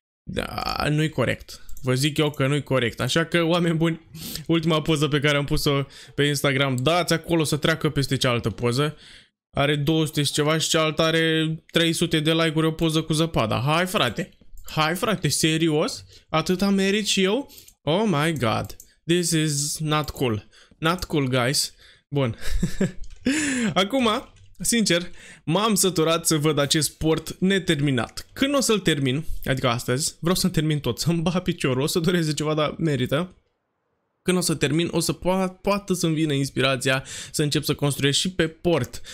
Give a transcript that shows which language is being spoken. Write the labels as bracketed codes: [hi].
[ro] Da, nu-i corect. Vă zic eu că nu-i corect. Așa că, oameni buni, ultima poză pe care am pus-o pe Instagram, dați acolo să treacă peste cealaltă poză. Are 200 și ceva și cealaltă are 300 de like-uri, o poză cu zăpada. Hai, frate, serios? Atât am merit și eu? [en] Oh my god, this is not cool. Not cool, guys. Bun. [ro] Acum, sincer, m-am săturat să văd acest sport neterminat. Când o să-l termin, adică astăzi, vreau să-l termin tot, să-mi bat piciorul, o să dureze ceva, dar merită. Când o să termin, o să poată să-mi vină inspirația să încep să construiesc și pe port.